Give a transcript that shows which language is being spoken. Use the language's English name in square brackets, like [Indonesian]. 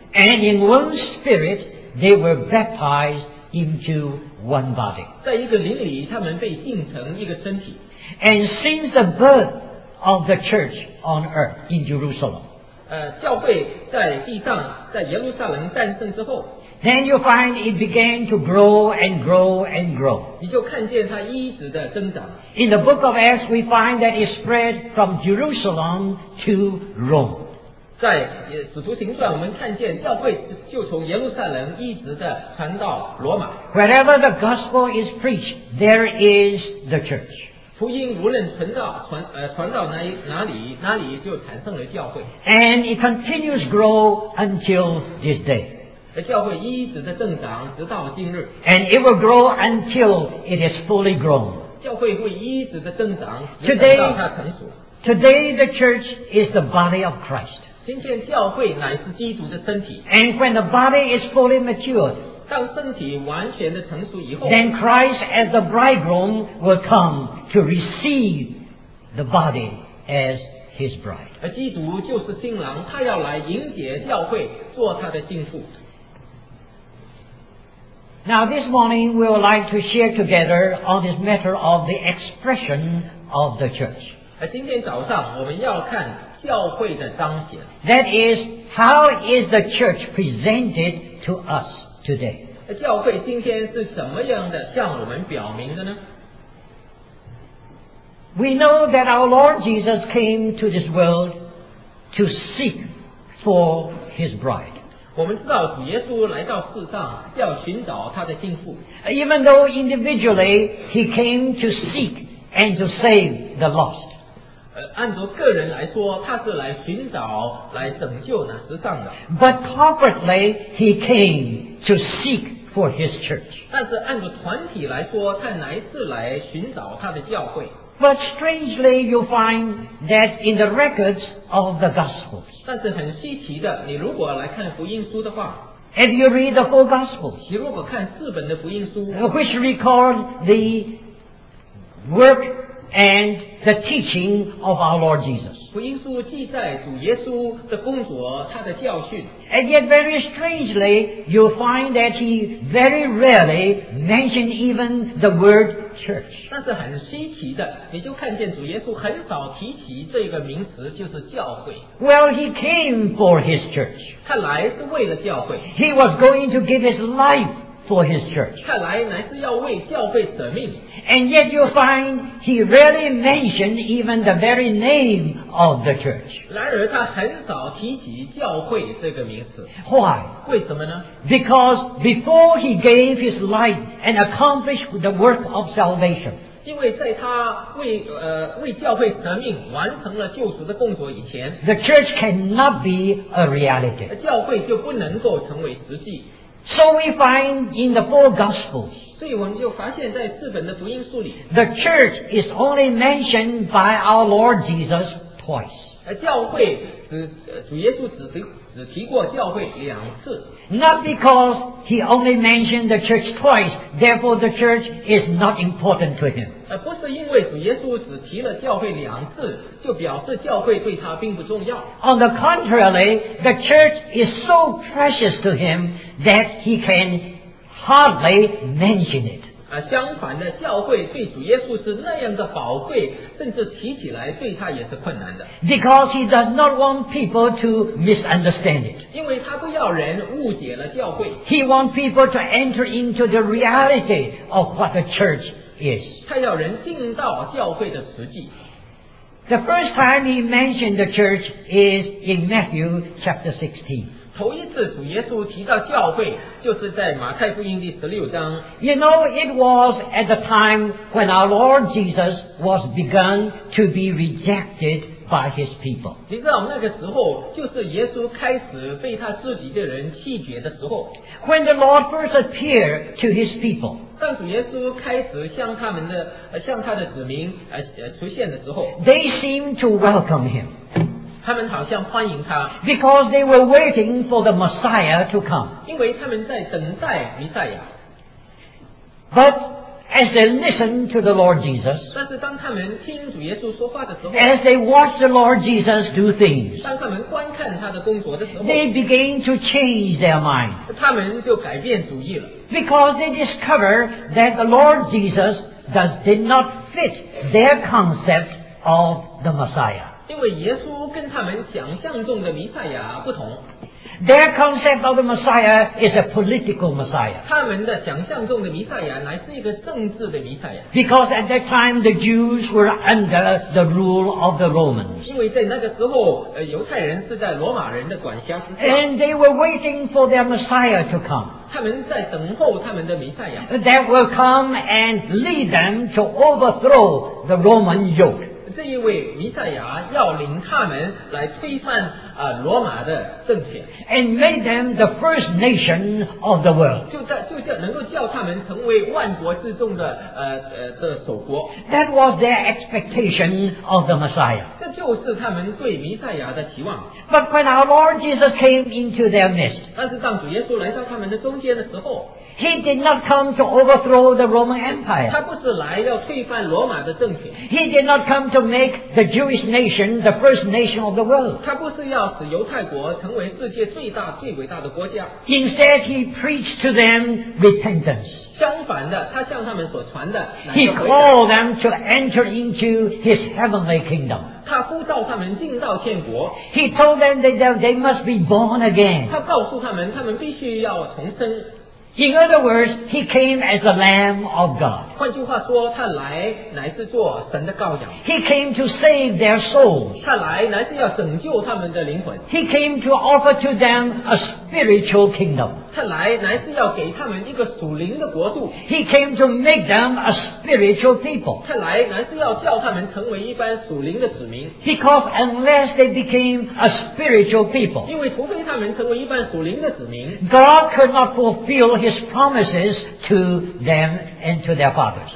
[English] And in one spirit, they were baptized into one body. [Chinese] 在一个灵里，他们被浸成一个身体。 [English] And since the birth of the church on earth in Jerusalem, [Chinese] 教会在地上，在耶路撒冷诞生之后。 [English] Then you find it began to grow and grow and grow. [Chinese] 你就看见它一直的增长。 [English] In the book of Acts, we find that it spread from Jerusalem to Rome. [Chinese] 在使徒行传，我们看见教会就从耶路撒冷一直的传到罗马。 [English] Wherever the gospel is preached, there is the church. [Chinese] 福音无论传到哪里，哪里就产生了教会。 [English] And it continues grow until this day. [Chinese] 教会一直的增长直到今日。 [English] And it will grow until it is fully grown. [Chinese] 教会会一直的增长直到它成熟。 [English] Today the church is the body of Christ. [Chinese] 今天教会乃是基督的身体。 [English] And when the body is fully matured, [Chinese] 当身体完全的成熟以后, [English] then Christ as the bridegroom will come to receive the body as his bride. [Chinese] 而基督就是新郎,他要来迎接教会做他的新妇。 [English] Now this morning we would like to share together on this matter of the expression of the church. [Chinese] 今天早上我们要看教会的彰显。 [English] That is, how is the church presented to us today? [Chinese] 教会今天是怎么样的向我们表明的呢? [English] We know that our Lord Jesus came to this world to seek for his bride. [Chinese] 我们知道主耶稣来到世上要寻找他的心腹。 [English] Even though individually he came to seek and to save the lost. [Chinese] 按照个人来说，他是来寻找、来拯救那失丧的。 [English] But corporately he came to seek for his church. [Chinese] 但是按照团体来说，他乃是来寻找他的教会。 [English] But strangely, you find that in the records of the Gospels. [Chinese] 但是很稀奇的，你如果来看福音书的话， [English] if you read the four Gospels, [Chinese] 你如果看四本的福音书， [English] which record the work and the teaching of our Lord Jesus. [Chinese] 福音书记载主耶稣的工作，他的教训。 [English] And yet very strangely, you find that he very rarely mentioned even the word church. [Chinese] 但是很稀奇的，你就看见主耶稣很少提起这个名词，就是教会。 [English] Well, he came for his church. [Chinese] 他来是为了教会。 [English] He was going to give his life for his church. [Chinese] 看来乃是要为教会舍命。 [English] And yet you find he rarely mentioned even the very name of the church. [Chinese] 然而他很少提起教会这个名词。 [English] Why? [Chinese] 为什么呢? [English] Because before he gave his life and accomplished the work of salvation. [Chinese] 因为在他 为教会舍命完成了救赎的工作以前 [English] The church cannot be a reality. [Chinese] 教会就不能够成为实际。 [English] So we find in the four Gospels, [Chinese] 所以我们就发现在四本的福音书里 [English] The church is only mentioned by our Lord Jesus twice. [Chinese] 教会主耶稣只提过教会两次。 [English] Not because he only mentioned the church twice, therefore the church is not important to him. [Chinese] 不是因为主耶稣只提了教会两次，就表示教会对他并不重要。 [English] On the contrary, the church is so precious to him that he can hardly mention it. [Chinese] 相反的，教会对主耶稣是那样的宝贵，甚至提起来对他也是困难的。 [English] Because he does not want people to misunderstand it. [Chinese] 因为他不要人误解了教会。 [English] He wants people to enter into the reality of what the church is. [Chinese] 他要人进到教会的实际。 [English] The first time he mentioned the church is in Matthew chapter 16. [Chinese] 头一次主耶稣提到教会就是在马太福音第十六章 [English] You know, it was at the time when our Lord Jesus was begun to be rejected by his people. [Chinese] 你知道那个时候就是耶稣开始被他自己的人弃绝的时候 [English] When the Lord first appeared to his people. [Chinese] 当主耶稣开始向他们的向他的子民出现的时候 [English] They seemed to welcome him. [Chinese] 他们好像欢迎他 [English] because they were waiting for the Messiah to come. [Chinese] 因为他们在等待弥赛亚。 [English] But as they listened to the Lord Jesus, [Chinese] 但是当他们听主耶稣说话的时候 [English] as they watched the Lord Jesus do things, [Chinese] 当他们观看他的工作的时候 [English] they began to change their mind. [Chinese] 他们就改变主意了。 [English] Because they discovered that the Lord Jesus did not fit their concept of the Messiah. [Chinese] 因为耶稣跟他们想象中的弥赛亚不同 [English] Their concept of the Messiah is a political Messiah. [Chinese] 他们的想象中的弥赛亚乃是一个政治的弥赛亚 [English] Because at that time the Jews were under the rule of the Romans. [Chinese] 因为在那个时候犹太人是在罗马人的管辖之下 [English] And they were waiting for their Messiah to come. [Chinese] 他们在等候他们的弥赛亚 [English] That will come and lead them to overthrow the Roman yoke. [Chinese] 这一位弥赛亚要领他们来推翻罗马的政权 [English] and made them the first nation of the world [Chinese] 就能够叫他们成为万国之众的的首国 [English] that was their expectation of the Messiah [Chinese] 这就是他们对弥赛亚的期望 [English] but when our Lord Jesus came into their midst [Chinese] 但是当主耶稣来到他们的中间的时候 [English] He did not come to overthrow the Roman Empire. [Chinese] 他不是来要推翻罗马的政权。 [English] He did not come to make the Jewish nation the first nation of the world. [Chinese] 他不是要使犹太国成为世界最大最伟大的国家。 [English] Instead, he preached to them repentance. [Chinese] 相反的，他向他们所传的。 [English] He called them to enter into his heavenly kingdom. [Chinese] 他呼召他们进到天国。 [English] He told them that they must be born again. [Chinese] 他告诉他们，他们必须要重生。 [English] In other words, he came as the Lamb of God. [Chinese] 换句话说，他来乃是做神的羔羊。 [English] He came to save their souls. [Chinese] 他来乃是要拯救他们的灵魂。 [English] He came to offer to them a spiritual kingdom. [Chinese] 他来乃是要给他们一个属灵的国度。 [English] He came to make them a spiritual people. [Chinese] 他来乃是要叫他们成为一般属灵的子民。 [English] Because unless they became a spiritual people, [Chinese] 因为除非他们成为一般属灵的子民 [English] God could not fulfill His promises to them and to their fathers.